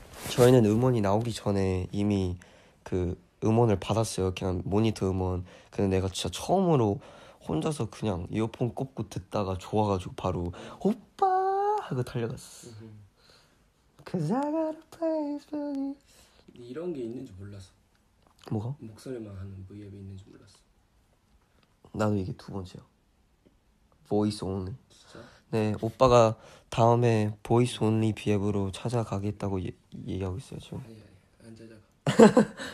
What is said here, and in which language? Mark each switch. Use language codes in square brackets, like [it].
[ko] 저희는 음원이 나오기 전에 이미 그 음원을 받았어요. 그냥 모니터 음원. 근데 내가 진짜 처음으로 혼자서 그냥 이어폰 꽂고 듣다가 좋아가지고 바로 오빠 하고 달려갔어. [en] Cause I got a place for you. [ko] 이런 게 있는지 몰랐어. 뭐가? 목소리만 하는 V앱이 있는지 몰랐어. 나도 이게 두 번째야. [en] Voice only. [ko] 진짜? 네, 오빠가 다음에 Voice only V앱으로 찾아가겠다고 얘기하고 있어요 지금. 아니 안 찾아가.